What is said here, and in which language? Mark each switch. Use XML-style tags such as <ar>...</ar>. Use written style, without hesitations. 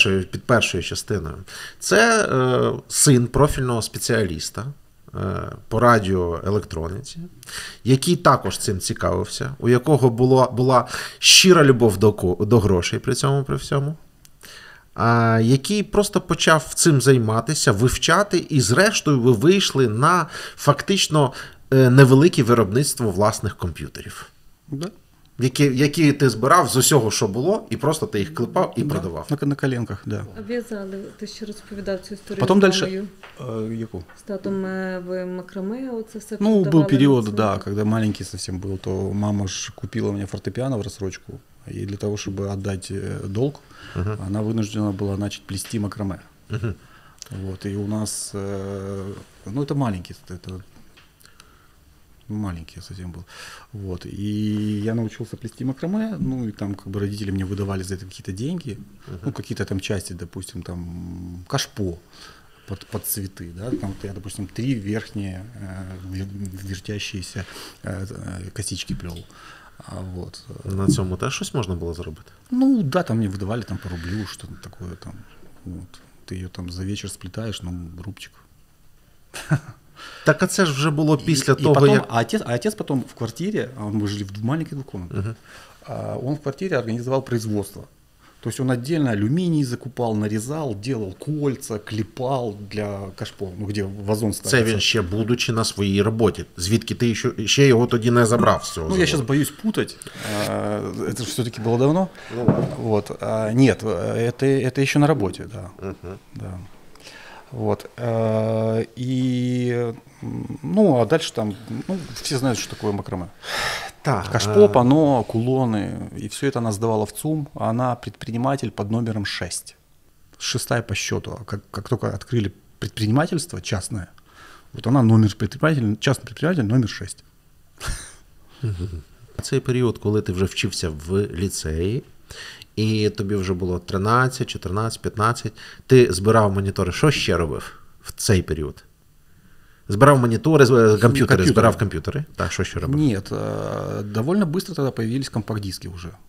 <uk>Під першою частиною. Це син профільного спеціаліста по радіоелектроніці, який також цим цікавився, у якого була щира любов до грошей при цьому, при всьому, який просто почав цим займатися, вивчати, і зрештою ви вийшли на фактично невелике виробництво власних комп'ютерів.</uk> <ru>Да.</ru> <uk>Які ти збирав з усього, що було, і просто ти їх клепав і продавав.</uk> <ru>На коленках, так. Да.</ru> <uk>Об'язали, ти ще розповідав цю історію. Потім далі. Яку? Статом в макраме, оце все. Ну, був період, да, коли маленький зовсім був, то мама ж купила мені фортепіано в розсрочку, і для того, щоб віддати долг, вона вынуждена була почати плести макраме. Вот, і у нас, ну, це маленький, маленький</uk> <ru>я совсем был.</ru> <uk>Вот.</uk> <ru>И я научился плести макраме, ну и там как бы родители мне выдавали за это какие-то деньги, ну какие-то там части, допустим, там кашпо под цветы, да, там я, допустим, три верхние вертящиеся косички плел. Вот.</ru> <uk>На цьому теж щось можна було зробити?</uk> <ru>Ну да, там мне выдавали там по рублю, что-то такое там. Вот. Ты ее там за вечер сплетаешь, ну, рубчик.</ru> <uk>Так а це ж вже було після того,</uk> <ru>потом,</ru> <uk>як... А отец потом в квартирі, ми жили в маленькій двокомнатній, он в квартирі організував производство. Тобто он отдельно алюміній закупав, нарізав, делав кольца, кліпав для кашпо, ну, где вазон ставився. Це він ще будучи на своїй роботі. Звідки ти ще його тоді не забрав з цього? Ну, я зараз боюсь путати. Це ж все-таки було давно. Вот. Ні, це ще на роботі, так. Да. Да. Вот.</uk> <ru>И, ну, а дальше там, ну, все знают, что такое макраме. Так. Кашпо, панно, кулоны, и все это она сдавала в ЦУМ, а она предприниматель под номером 6. Шестая по счету. Как только открыли предпринимательство частное, вот она номер предприниматель, частный предприниматель номер 6.</ru> <uk>Цей період, коли ти вже вчився в ліцеї, і тобі вже було 13, 14, 15, ти збирав монітори. Що ще робив в цей період? Збирав монітори, комп'ютери, збирав комп'ютери? Так, що ще робив? Ні, доволі швидко тоді з'явились компакт-диски вже.</uk>